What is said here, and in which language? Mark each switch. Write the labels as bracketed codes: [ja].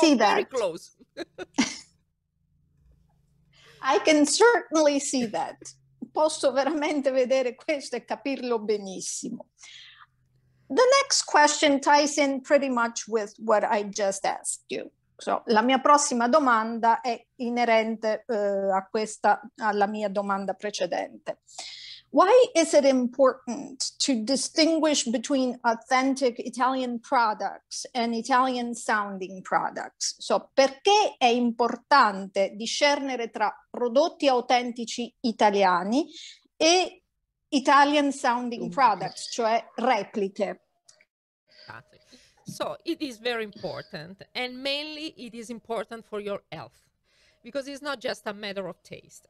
[en] see very that. close. I can certainly see that. [it] Posso veramente vedere questo e capirlo benissimo. [en] The next question ties in pretty much with what I just asked you. [it] So, la mia prossima domanda è inerente, alla mia domanda precedente. [en] Why is it important to distinguish between authentic Italian products and Italian sounding products? [it] So, perché è importante discernere tra prodotti autentici italiani e [en] Italian sounding products, [it] cioè repliche. [en] So it is very important, and mainly it is important for your health, because it's not just a matter of taste.